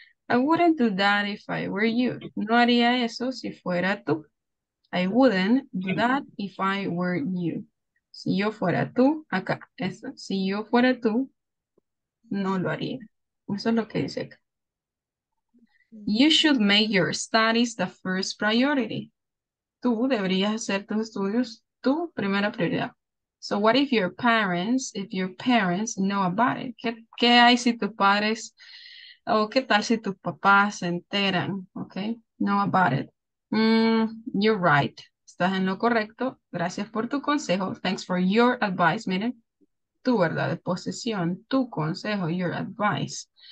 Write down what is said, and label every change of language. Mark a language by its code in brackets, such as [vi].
[en] I wouldn't do that if I were you. [es] No haría eso si fuera tú. [en] I wouldn't do that if I were you. [es] Si yo fuera tú, acá, eso. Si yo fuera tú, no lo haría. Eso es lo que dice acá. [en] You should make your studies the first priority. [es] Tú deberías hacer tus estudios tu primera prioridad. [en] So what if your parents know about it? [es] ¿Qué hay si tus padres o qué tal si tus papás se enteran? [en] Okay, know about it. You're right. [es] Estás en lo correcto. Gracias por tu consejo. [en] Thanks for your advice. [es] Miren, tu verdad de posesión, tu consejo, [en] your advice.